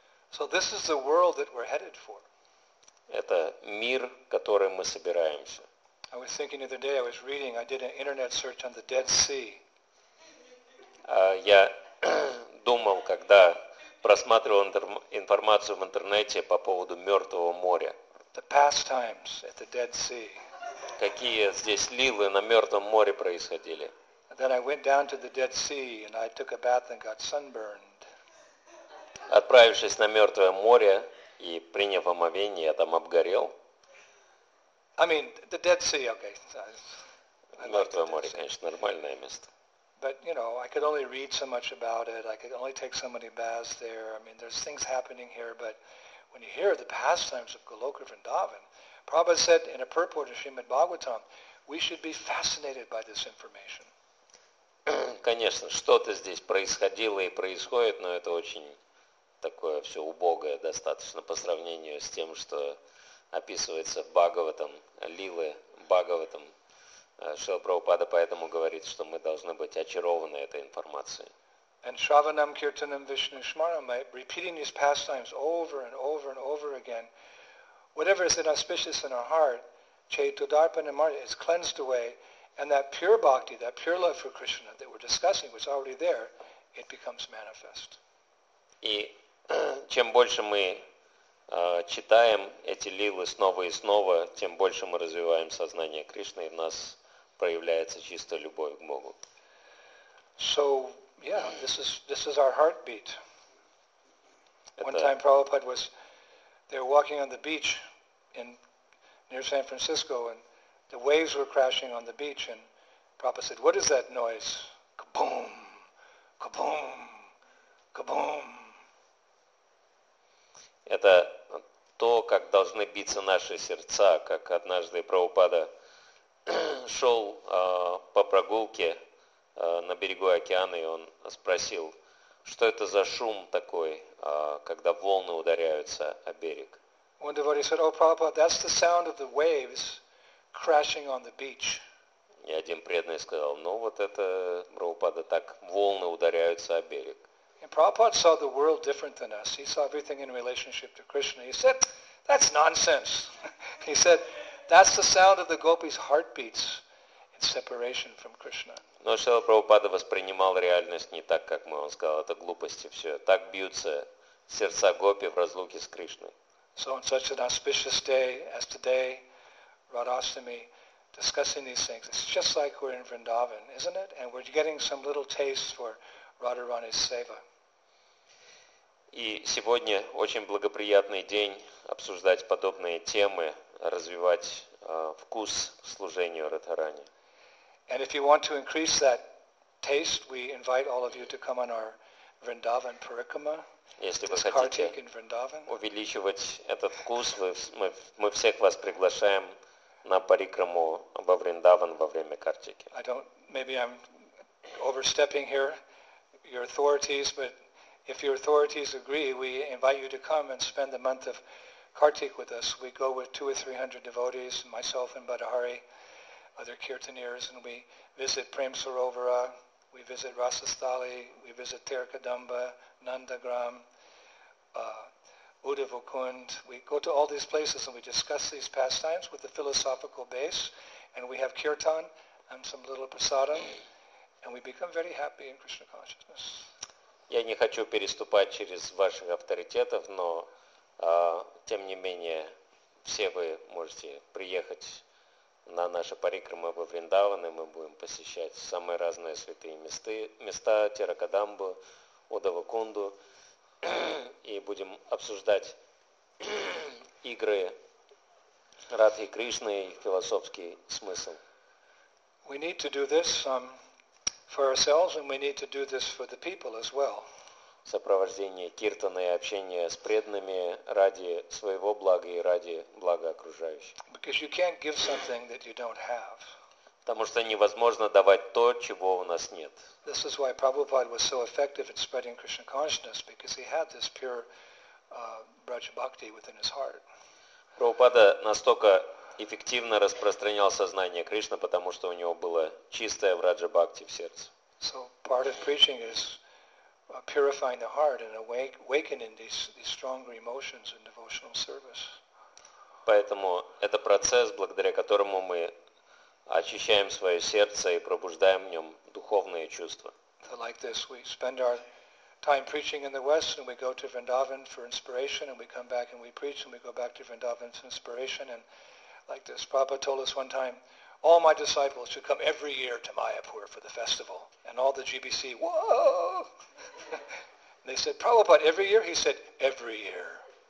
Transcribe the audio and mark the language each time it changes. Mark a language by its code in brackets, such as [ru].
[en] So this is the world that we're headed for. [ru] Это мир, который мы собираемся. [en] I was thinking the other day, I was reading, I did an internet search on the Dead Sea. [ru] Я думал, когда просматривал информацию в интернете по поводу Мертвого моря. [en] The pastimes at the Dead Sea. [ru] Какие здесь лилы на Мертвом море происходили. [en] And then I went down to the Dead Sea and I took a bath and got sunburned. [ru] Отправившись на Мертвое море и приняв омовение, я там обгорел. [en] I mean, the Dead Sea, okay. [ru] Мертвое море, конечно, нормальное место. [en] But, you know, I could only read so much about it. I could only take so many baths there. I mean, there's things happening here, but when you hear the pastimes of Goloka Vrindavan, Prabhupada said in a purport of Srimad Bhagavatam, we should be fascinated by this information. [ru] Конечно, что-то здесь происходило и происходит, но это очень такое все убогое достаточно по сравнению с тем, что описывается в Бхагаватам, лилы Бхагаватам. Шрила Прабхупада поэтому говорит, что мы должны быть очарованы этой информацией. [en] And [sa] Shravanam Kirtanam Vishnu Smaranam, [en] repeating these pastimes over and over and over again, whatever is inauspicious in our heart, [sa] Chaitudarpanam Marja, [en] is cleansed away, and that pure bhakti, that pure love for Krishna that we're discussing, which is already there, it becomes manifest. [ru] И чем больше мы читаем эти лилы снова и снова, тем больше мы развиваем сознание Кришны, и в нас проявляется чистая любовь к Богу. [en] So, yeah, this is our heartbeat. [ru] Это... [en] One time Prabhupada was, they were walking on the beach in near San Francisco, and the waves were crashing on the beach, and Prabhupada said, what is that noise? Kaboom! Kaboom! Kaboom! [ru] Это то, как должны биться наши сердца, как однажды Прабхупада шел по прогулке на берегу океана, и он спросил, что это за шум такой, когда волны ударяются о берег. [en] One devotee said, oh, Prabhupada, that's the sound of the waves crashing on the beach. [ru] И один преданный сказал, ну вот это, Прабхупада, так волны ударяются о берег. [en] And Prabhupada saw the world different than us. He saw everything in relationship to Krishna. He said, that's nonsense. He said, that's the sound of the gopis' heartbeats in separation from Krishna. [ru] Но Шрила Прабхупада воспринимал реальность не так, как мы. Он сказал, это глупости все. Так бьются сердца гопи в разлуке с Кришной. [en] So on such an auspicious day as today, Radhastami, discussing these things, it's just like we're in Vrindavan, isn't it? And we're getting some little taste for Radharani's seva. [ru] И сегодня очень благоприятный день обсуждать подобные темы, развивать вкус служению Радхарани. [en] And if you want to increase that taste, we invite all of you to come on our Vrindavan Parikrama. [ru] Если вы хотите увеличивать этот вкус, мы всех вас приглашаем на парикраму во Вриндаван во время Картики. [en] I don't, maybe I'm overstepping here your authorities, but if your authorities agree, we invite you to come and spend the month of Kartik with us. We go with 200 or 300 devotees, myself and Badahari, other kirtaneers, and we visit Prem Sarovara, we visit Rasasthali, we visit Terkadamba, Nandagram, Udavukund. We go to all these places and we discuss these pastimes with a philosophical base, and we have kirtan and some little prasadam, and we become very happy in Krishna consciousness. [ru] Я не хочу переступать через ваших авторитетов, но тем не менее все вы можете приехать на наши парикрамы во Вриндаване, мы будем посещать самые разные святые места, Тиракадамбу, Удавакунду, и будем обсуждать игры Радхи Кришны и философский смысл. [en] We need to do this for ourselves, and we need to do this for the people as well. [ru] Сопровождение киртана и общение с преданными ради своего блага и ради блага окружающих. [en] Because you can't give something that you don't have. [ru] Потому что невозможно давать то, чего у нас нет. [en] This is why Prabhupada was so effective at spreading Krishna consciousness, because he had this pure Braja Bhakti within his heart. [ru] Прабхупада настолько эффективно распространял сознание Кришны, потому что у него было чистое Враджа Бхакти в сердце. [en] So part of preaching is purifying the heart and awakening these stronger emotions in devotional service. [ru] Поэтому это процесс, благодаря которому мы очищаем свое сердце и пробуждаем в нем духовные чувства. [en] So like this, we spend our time preaching in the West, and we go to Vrindavan for inspiration, and we come back and we preach, and we go back to Vrindavan for inspiration. And like this, Prabhupada told us one time, all my disciples should come every year to Mayapur for the festival. And all the GBC, whoa! They said, Prabhupada, every year? He said, every year.